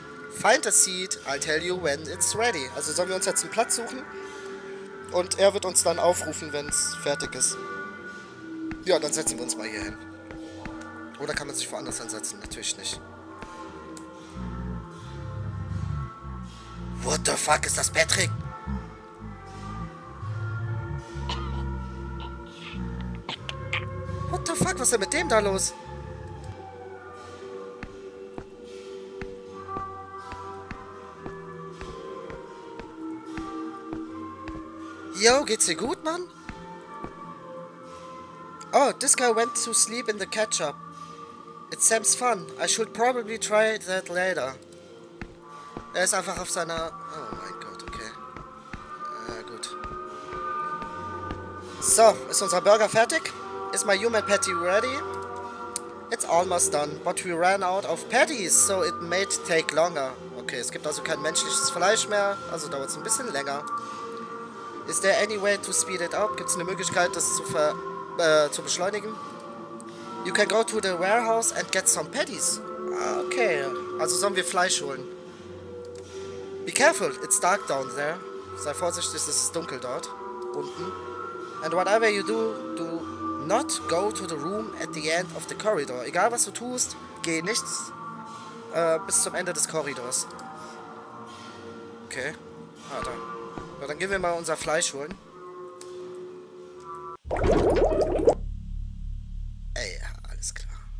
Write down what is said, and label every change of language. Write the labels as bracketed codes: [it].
[en] Find a seat, I'll tell you when it's ready. [de] Also sollen wir uns jetzt einen Platz suchen. Und er wird uns dann aufrufen, wenn es fertig ist. Ja, dann setzen wir uns mal hier hin. Oder kann man sich woanders hinsetzen? Natürlich nicht. [en] What the fuck [de] ist das, [en] Patrick? What the fuck, [de] was ist denn mit dem da los? Yo, geht's dir gut, Mann? [en] Oh, this guy went to sleep in the ketchup. It seems fun. I should probably try that later. [de] Er ist einfach auf seiner... Oh mein Gott, okay. Gut. So, ist unser Burger fertig? [en] Is my human patty ready? It's almost done, but we ran out of patties, so it may take longer. [de] Okay, es gibt also kein menschliches Fleisch mehr, also dauert es ein bisschen länger. [en] Is there any way to speed it up? [de] Gibt es eine Möglichkeit, das zu beschleunigen? [en] You can go to the warehouse and get some patties. [de] Okay, also sollen wir Fleisch holen. [en] Be careful, it's dark down there. [de] Sei vorsichtig, es ist dunkel dort, unten. [en] And whatever you do, do not go to the room at the end of the corridor. [de] Egal was du tust, geh nichts bis zum Ende des Korridors. Okay, ah, da. Na, dann gehen wir mal unser Fleisch holen. Ey, ja, alles klar.